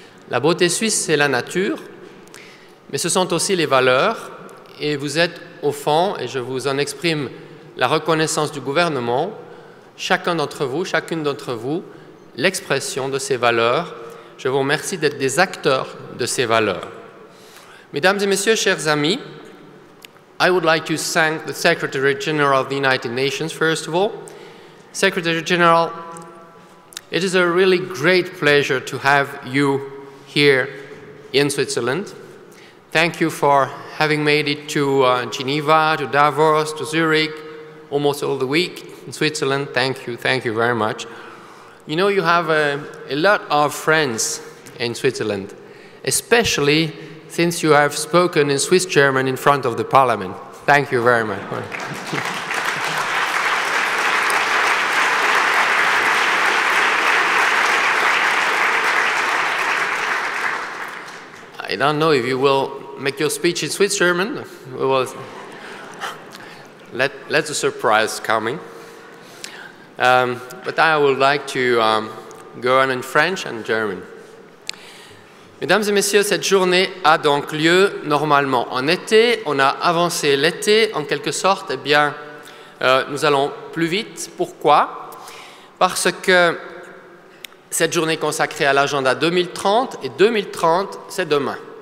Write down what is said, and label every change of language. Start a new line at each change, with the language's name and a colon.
French: La beauté suisse, c'est la nature, mais ce sont aussi les valeurs. Et vous êtes au fond, et je vous en exprime la reconnaissance du gouvernement, chacun d'entre vous, chacune d'entre vous, l'expression de ces valeurs. Je vous remercie d'être des acteurs de ces valeurs. Mesdames et messieurs, chers amis,
English: I would like to thank the Secretary General of the United Nations, first of all. Secretary General, it is a really great pleasure to have you here in Switzerland. Thank you for having made it to Geneva, to Davos, to Zurich, almost all the week in Switzerland. Thank you very much. You know, you have a lot of friends in Switzerland, especially since you have spoken in Swiss German in front of the Parliament. Thank you very much. I don't know if you will make your speech in Swiss German. We will let the surprise coming. But I would like to go on in French and German.
French: Mesdames et messieurs, cette journée a donc lieu normalement en été. On a avancé l'été en quelque sorte. Eh bien, nous allons plus vite. Pourquoi? Parce que cette journée consacrée à l'agenda 2030, et 2030, c'est demain.